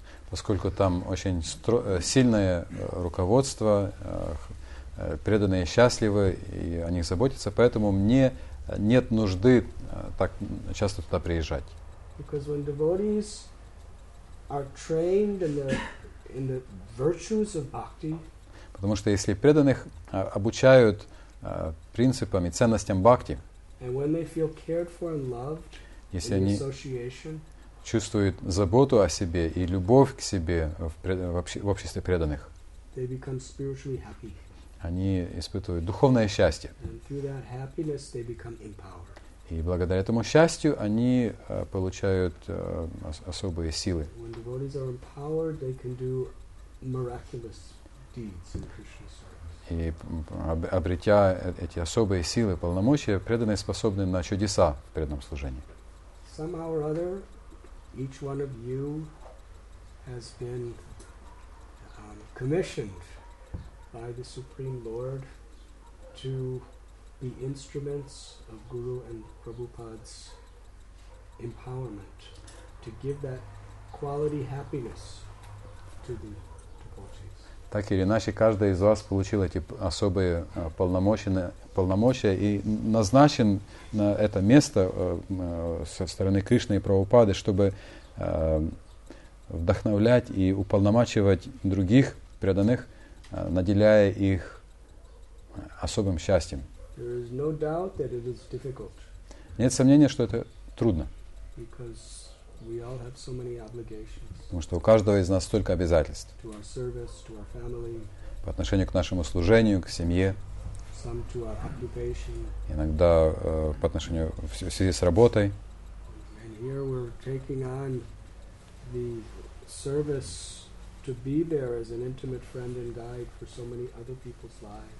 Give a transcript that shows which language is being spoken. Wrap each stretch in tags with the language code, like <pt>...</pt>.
<ru>поскольку там очень сильное руководство, преданные счастливы, и о них заботятся, поэтому мне нет нужды так часто туда приезжать.</ru> <en>Because when devotees are trained in the virtues of bhakti,</en> <ru>потому что если преданных обучают принципам и ценностям бхакти,</ru> <en>and when they feel cared for and loved,</en> <ru>если они чувствуют заботу о себе и любовь к себе в обществе преданных,</ru> <en>they become spiritually happy.</en> <ru>Они испытывают духовное счастье.</ru> <en>And through that happiness they become empowered.</en> <ru>И благодаря этому счастью они получают особые силы.</ru> <en>When devotees are empowered, they can do miraculous deeds in Krishna's service.</en> <ru>И обретя эти особые силы, полномочия, преданные способны на чудеса в преданном служении.</ru> <en>Somehow or other, each one of you has been commissioned by the Supreme Lord to be instruments of Guru and Prabhupada's empowerment, to give that quality happiness to the devotees.</en> <ru>Так или иначе, каждый из вас получил эти особые полномочия и назначен на это место со стороны Кришны и Прабхупады, чтобы вдохновлять и уполномачивать других преданных, наделяя их особым счастьем.</ru> <en>There is no doubt that it is difficult.</en> <ru>Нет сомнения, что это трудно.</ru> <en>Because we all have so many obligations.</en> <ru>Потому что у каждого из нас столько обязательств.</ru> <en>To our service, to our family.</en> <ru>По отношению к нашему служению, к семье.</ru> <en>Some to our occupation.</en> <ru>Иногда по отношению в связи с работой.</ru> <en>And here we're taking on the service to be there as an intimate friend and guide for so many other people's lives.</en>